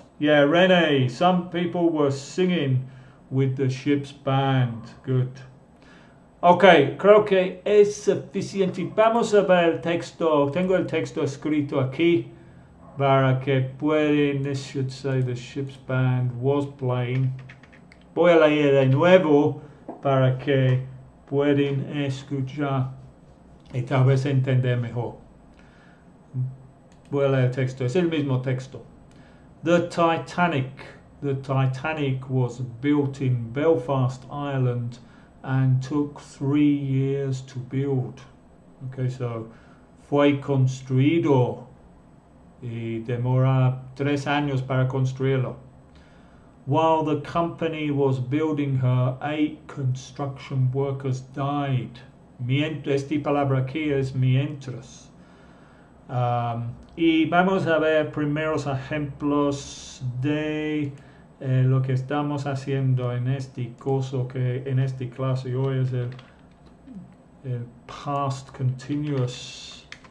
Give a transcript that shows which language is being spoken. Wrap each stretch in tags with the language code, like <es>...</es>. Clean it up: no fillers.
<en>Yeah, Rene, some people were singing with the ship's band.</en> <es>Good. Okay, creo que es suficiente. Vamos a ver el texto. Tengo el texto escrito aquí. Para que pueden,</es> <en>this should say the ship's band was playing.</en> <es>Voy a leer de nuevo para que pueden escuchar y tal vez entender mejor. Voy a leer el texto. Es el mismo texto.</es> <en>The Titanic was built in Belfast, Ireland, and took 3 years to build.</en> <es>Okay, so fue construido y demora 3 años para construirlo.</es> <en>While the company was building her, 8 construction workers died.</en> <es>Esta palabra aquí es mientras. Y vamos a ver primeros ejemplos de lo que estamos haciendo en este curso, que en esta clase hoy es el past continuous.</es>